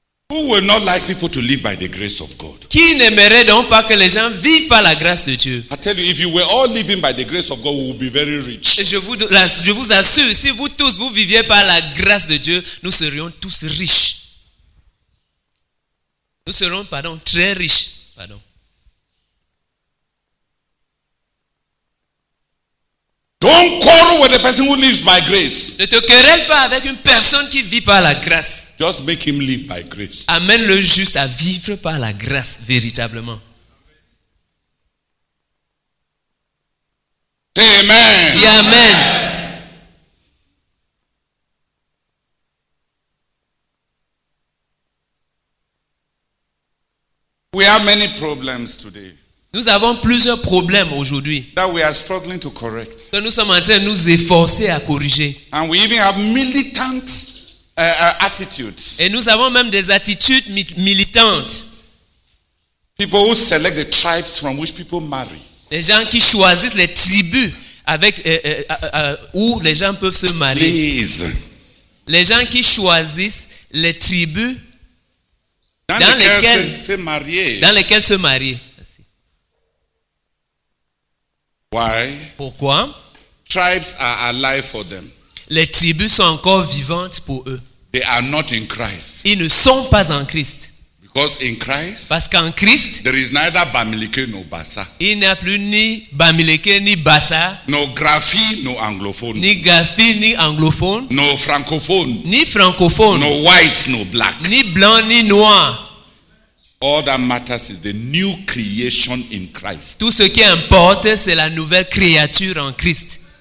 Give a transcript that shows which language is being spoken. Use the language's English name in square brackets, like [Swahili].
[English] Who would not like people to live by the grace of God? [French] Qui n'aimerait donc pas que les gens vivent par la grâce de Dieu? [English] I tell you, if you were all living by the grace of God, we would be very rich. [French] Je vous assure, si vous tous vous viviez par la grâce de Dieu, nous serions tous riches. Nous serons, pardon, très riches, pardon. [English] Don't quarrel with the person who lives by grace. [French] Ne te querelle pas avec une personne qui vit par la grâce. [English] Just make him live by grace. [French] Amène-le juste à vivre par la grâce véritablement. [English] Say amen. [French] Dis amen. [English] We have many problems today. [French] Nous avons plusieurs problèmes aujourd'hui. [English] That we are struggling to correct. [French] Que nous sommes en train de nous efforcer à corriger. [English] And we even have militant, attitudes. [French] Et nous avons même des attitudes militantes. [English] People who select the tribes from which people marry. [French] Les gens qui choisissent les tribus avec, où les gens peuvent se marier. [English] Please. [French] Les gens qui choisissent les tribus dans lesquelles se marier. [English] Why? [French] Pourquoi? [English] Tribes are alive for them. [French] Les tribus sont encore vivantes pour eux. [English] They are not in Christ. [French] Ils ne sont pas en Christ. [English] Because in Christ, [French] parce qu'en Christ, [English] there is neither Bamileke nor Bassa. [French] Il n'y a plus ni Bamileke ni Bassa. [English] No Graphi, no anglophone. [French] Ni Graphi ni anglophone. [English] No francophone. [French] Ni francophone. [English] No white, no black. [French] Ni blanc ni noir. [English] All that matters is the new creation in Christ. [French] Tout ce qui importe, c'est la nouvelle créature en Christ.